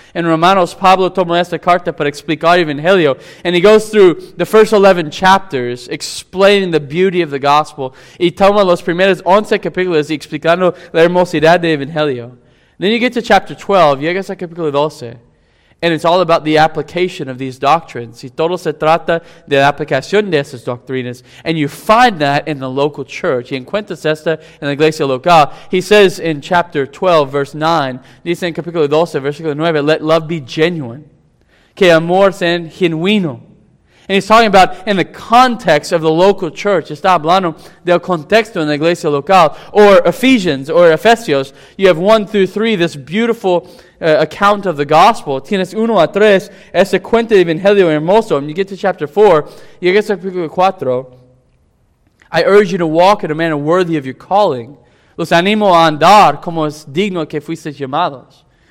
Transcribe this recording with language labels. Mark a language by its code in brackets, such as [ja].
[es] In Romanos, Pablo tomó esta carta para explicar el evangelio. [en] And he goes through the first 11 chapters explaining the beauty of the gospel. [es] Y toma los primeros 11 capítulos y explicando la hermosidad del evangelio. [en] Then you get to chapter 12, [es] llegas a capítulo 12. [en] And it's all about the application of these doctrines. [es] Y todo se trata de la aplicación de esas doctrinas. [en] And you find that in the local church. [es] Y encuentras esta en la iglesia local. [en] He says in chapter 12, verse 9, [es] dice en capítulo 12, versículo 9, [en] let love be genuine. [es] Que amor sea genuino. [en] And he's talking about in the context of the local church. [es] Está hablando del contexto en la iglesia local. [en] Or Ephesians, or Efesios. You have 1 through 3, this beautiful account of the gospel. [es] Tienes 1 a 3, ese cuento de evangelio hermoso. [en] And you get to chapter 4, you get to capítulo 4. I urge you to walk in a manner worthy of your calling. [es] Los animo a andar como es digno que fuisteis llamados.